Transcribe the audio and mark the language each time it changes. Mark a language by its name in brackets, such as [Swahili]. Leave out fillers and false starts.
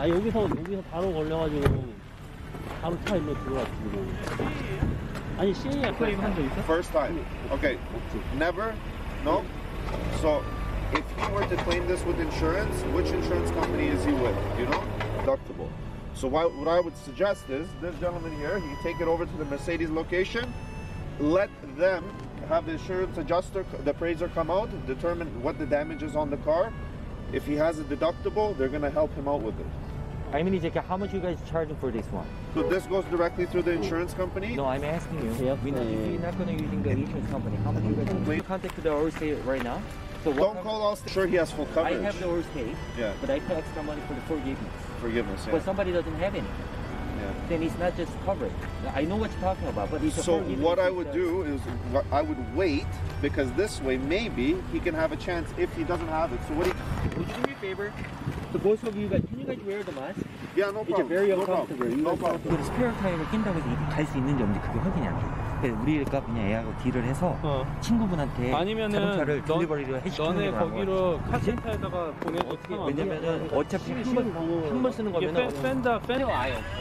[Korean] 아, 여기서 바로 걸려가지고. 바로 차 일로 들어왔지, 지금. 아니, 시에야 클레임 한 적 있어? [English] First time. Okay. Never? No? So, if he were to claim this with insurance, which insurance company is he with? You know? Deductible. So, what I would suggest is this gentleman here, he take it over to the Mercedes location, let them have the insurance adjuster, the appraiser come out, determine what the damage is on the car. If he has a deductible, they're going to help him out with it. I mean, how much are you guys charging for this one? So this goes directly through the insurance company? No, I'm asking you. Yep. We know you're not going to use the insurance company. How much are you guys charging? We contacted the Allstate right now. So what don't call Allstate. Sure, he has full coverage. I have the Allstate. Yeah. But I pay extra money for the forgiveness. Forgiveness, yeah. But somebody doesn't have any. Yeah. Then it's not just coverage. I know what you're talking about, but it's so what I would do is I would wait, because this way maybe he can have a chance if he doesn't have it. So what do you... Would you do me a favor? The both of you guys, can you guys wear the mask? Yeah, no problem. It's very uncomfortable. No problem. [Korean] 스페어 타임을 낀다고 해서 갈 수 있는지 없는지 그게 확인이 안 돼. 우리가 그냥 예약을 딜을 해서 친구분한테 자동차를 딜리버리로 해주시는 거라고. 너네 거기로 카센터에다가 보내도 상관없어. 왜냐면은 어차피 한번 쓰는 거면 펜더 와요.